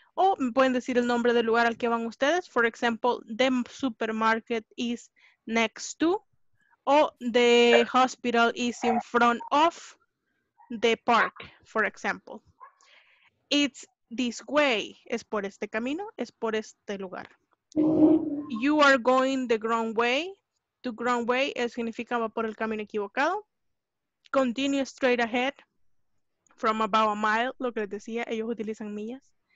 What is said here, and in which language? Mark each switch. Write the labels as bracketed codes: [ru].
[es] O me pueden decir el nombre del lugar al que van ustedes. [en] For example, the supermarket is next to, o the hospital is in front of the park, for example. It's this way. [es] Es por este camino, es por este lugar. [en] You are going the wrong way. The wrong way [es] significa va por el camino equivocado. [en] Continue straight ahead from about a mile, [es] lo que les decía, ellos utilizan millas.